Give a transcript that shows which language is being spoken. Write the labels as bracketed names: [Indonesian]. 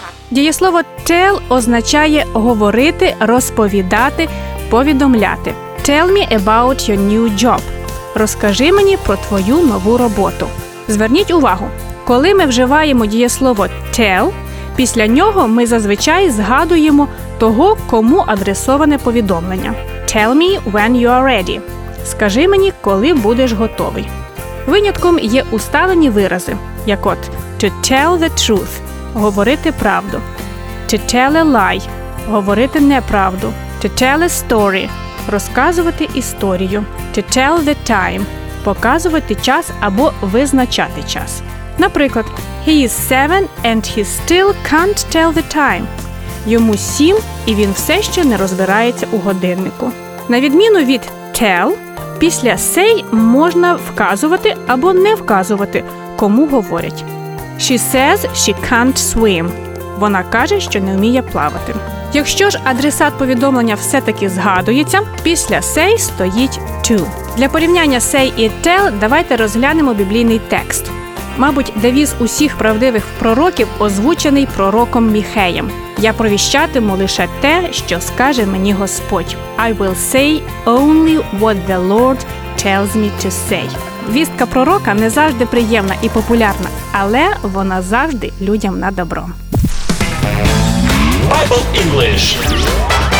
[Ukrainian] Дієслово tell означає говорити, розповідати, повідомляти. [English] Tell me about your new job. [Ukrainian] Розкажи мені про твою нову роботу. Зверніть увагу, коли ми вживаємо дієслово tell, після нього ми зазвичай згадуємо того, кому адресоване повідомлення. [English] Tell me when you are ready. [Ukrainian] Скажи мені, коли будеш готовий. Винятком є усталені вирази, як от [English] to tell the truth [Ukrainian] – говорити правду. [English] To tell a lie – [Ukrainian] говорити неправду. [English] To tell a story – [Ukrainian] розказувати історію. [English] To tell the time [Ukrainian] – показувати час або визначати час. Наприклад, [English] he is 7 and he still can't tell the time. [Ukrainian] Йому 7 і він все ще не розбирається у годиннику. На відміну від tell, після say можна вказувати або не вказувати, кому говорять. [English] She says she can't swim. [Ukrainian] Вона каже, що не вміє плавати. Якщо ж адресат повідомлення все-таки згадується, після say стоїть to. Для порівняння say і tell давайте розглянемо біблійний текст. Мабуть, девіз усіх правдивих пророків озвучений пророком Міхеєм. Я провіщатиму лише те, що скаже мені Господь. [English] I will say only what the Lord tells me to say. [Ukrainian] Вістка пророка не завжди приємна і популярна, але вона завжди людям на добро. Bible English.